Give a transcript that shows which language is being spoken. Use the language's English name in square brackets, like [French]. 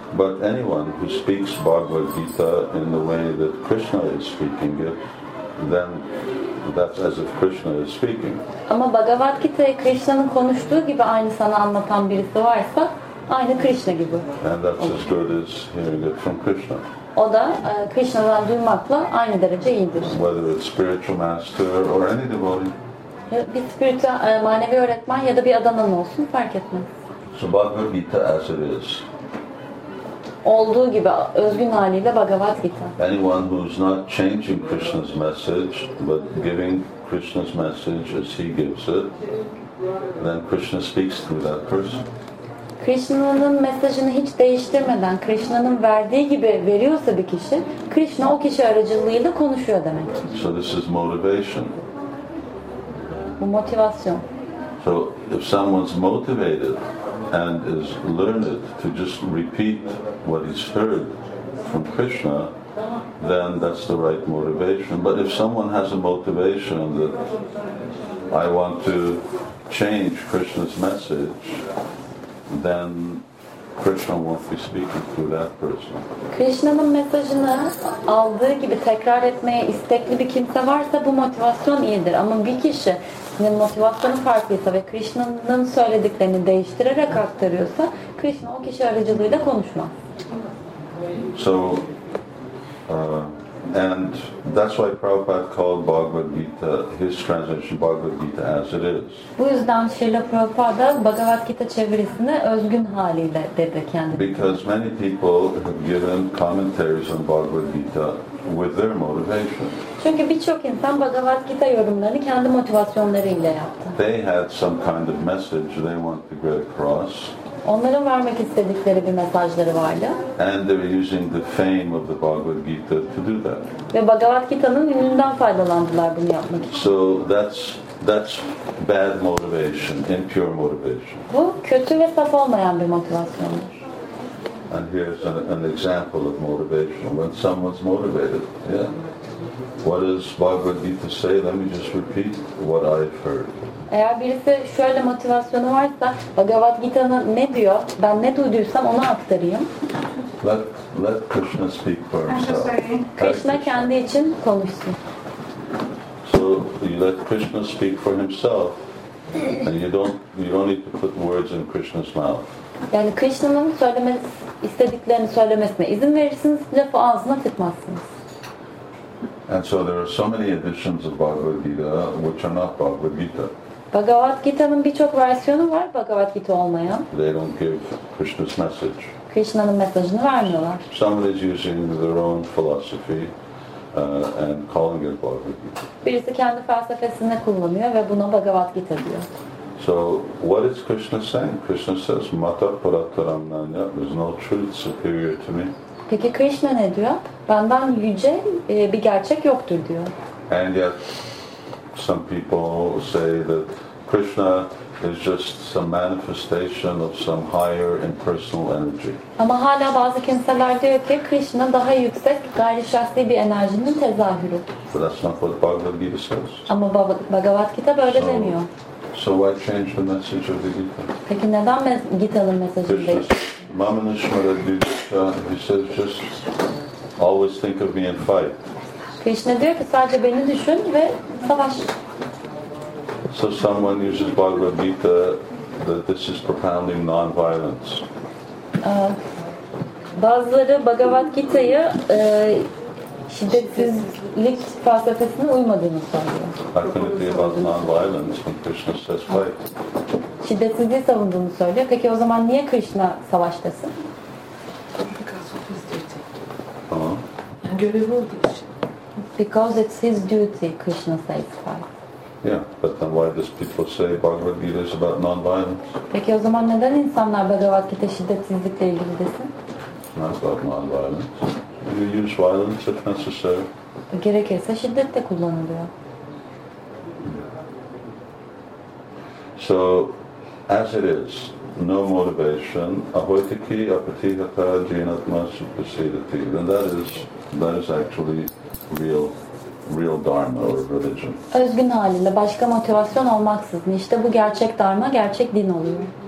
[English] But anyone who speaks Bhagavad Gita in the way that Krishna is speaking it, then that's as if Krishna is speaking. [Turkish] Ama Bhagavad Gita'yı Krishna'nın konuştuğu gibi aynı sana anlatan birisi varsa aynı Krishna gibi. [English] And that's as good as hearing it from Krishna. [Turkish] O da Krishna'dan duymakla aynı derece iyidir. [English] Whether it's spiritual master or any devotee. [Turkish] Bir spiritual manevi öğretmen ya da bir adamın olsun fark etmez. [English] So Bhagavad Gita as it is. [Turkish] Olduğu gibi özgün haliyle Bhagavad Gita. [English] Anyone who is not changing Krishna's message but giving Krishna's message as he gives it, then Krishna speaks to that person. [Turkish] Krishna'nın mesajını hiç değiştirmeden Krishna'nın verdiği gibi veriyorsa bir kişi, Krishna o kişi aracılığıyla konuşuyor demek. [English] So this is motivation. [Turkish] Bu motivasyon. [English] So if someone's motivated and is learned to just repeat what he's heard from Krishna, then that's the right motivation. But if someone has a motivation that I want to change Krishna's message, then Krishna won't be speaking to that person. [Turkish] Krishna'nın mesajını aldığı gibi tekrar etmeye istekli bir kimse varsa bu motivasyon iyidir. Ama bir kişi senin motivasyonun farklıysa ve Krishna'nın söylediklerini değiştirerek aktarıyorsa, Krishna o kişi aracılığıyla konuşmaz. [English] So, and that's why Prabhupada called Bhagavad Gita, his translation Bhagavad Gita as it is. [Turkish] Bu yüzden Srila Prabhupada Bhagavad Gita çevirisini özgün haliyle dedi kendisi. [English] Because many people have given commentaries on Bhagavad Gita with their motivation. [Turkish] Çünkü birçok insan Bhagavad Gita yorumlarını kendi motivasyonlarıyla yaptı. [English] They had some kind of message they wanted to get across. [Turkish] Onların vermek istedikleri bir mesajları vardı. [English] And they were using the fame of the Bhagavad Gita to do that. [Turkish] Ve Bhagavad Gita'nın ününden faydalandılar bunu yapmak için. [English] So that's bad motivation, impure motivation. [Turkish] Bu kötü ve saf olmayan bir motivasyondur. [English] And here's an example of motivation. When someone's motivated, yeah. What does Bhagavad Gita say? Let me just repeat what I've heard. [Turkish] Eğer birisi şöyle motivasyonu varsa, Bhagavad Gita'nın ne diyor? Ben ne duyduysam onu aktarayım. [English] Let Krishna speak for himself. [Turkish] Krishna kendi için konuşsun. [English] So you let Krishna speak for himself, and you don't need to put words in Krishna's mouth. [Turkish] Yani Krishna'nın söylemesi, istediklerini söylemesine izin verirsiniz, lafı ağzına tıkmazsınız. [English] And so there are so many editions of Bhagavad Gita which are not Bhagavad Gita. [Turkish] Bhagavad Gita'nın birçok versiyonu var Bhagavad Gita olmayan. [English] They don't give Krishna's message. [Turkish] Krishna'nın mesajını vermiyorlar. [English] Somebody is using their own philosophy and calling it Bhagavad Gita. [Turkish] Birisi kendi felsefesini kullanıyor ve buna Bhagavad Gita diyor. [English] So what is Krishna saying? Krishna says, [Sanskrit] "Mata parataram nanya." [English] There's no truth superior to me. [Turkish] Peki Krishna ne diyor? Benden yüce bir gerçek yoktur diyor. [English] And yet, some people say that Krishna is just some manifestation of some higher impersonal energy. [Turkish] Ama hala bazı kimseler diyor ki Krishna daha yüksek gayri şahsi bir enerjinin tezahürü. [English] But that's not what Bhagavad Gita says. [Turkish] Ama Bhagavad Gita böyle demiyor. [English] So why change the message of the Gita? [Turkish] Peki neden Gita'nın mesajını değiştirdin? [Sanskrit] Mamana Shmara Dutra, [English] he says, just always think of me and fight. [Turkish] Krishna diyor ki sadece beni düşün ve savaş. [English] So someone uses Bhagavad Gita that this is propounding non-violence. [Turkish] Bazıları Bhagavad Gita'yı şiddetsizlik felsefesine uymadığını söylüyor. [English] I can agree about non-violence when Krishna says fight. [Turkish] Şiddetsizliği savunduğunu söylüyor. Peki o zaman niye Krishna savaş desin? [English] Because it's his duty. [Turkish] Görevi olduğu için. [English] Because it's his duty, Krishna says fight. Yeah, but then why does people say Bhagavad Gita is about non-violence? [Turkish] Peki o zaman neden insanlar Bhagavad Gita şiddetsizlikle ilgili desin? [English] Not about non-violence. You use violence if necessary. [Turkish] Gerekirse şiddet de kullanılıyor. [English] So, as it is, no motivation. Ahoitiki apatihata jinatma supersedati. Then that is actually real dharma or religion. [Turkish] Özgün haliyle, başka motivasyon olmaksızın. İşte bu gerçek dharma, gerçek din oluyor.